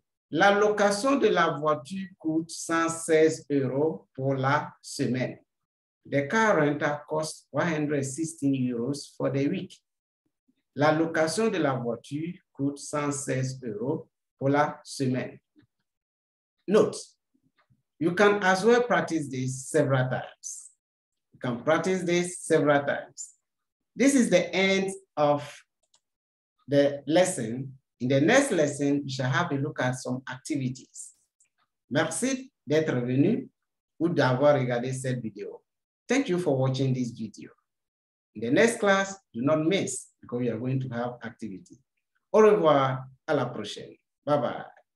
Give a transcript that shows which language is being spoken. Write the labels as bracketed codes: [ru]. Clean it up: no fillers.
[fr] La location de la voiture coûte 116 euros pour la semaine. [en] The car rental costs 116 euros for the week. [fr] La location de la voiture coûte 116 euros pour la semaine. [en] Note, you can as well practice this several times. You can practice this several times. This is the end of the lesson. In the next lesson, we shall have a look at some activities. [fr] Merci d'être venu ou d'avoir regardé cette vidéo. [en] Thank you for watching this video. In the next class, do not miss because we are going to have activity. [fr] Au revoir, à la prochaine. [en] Bye-bye.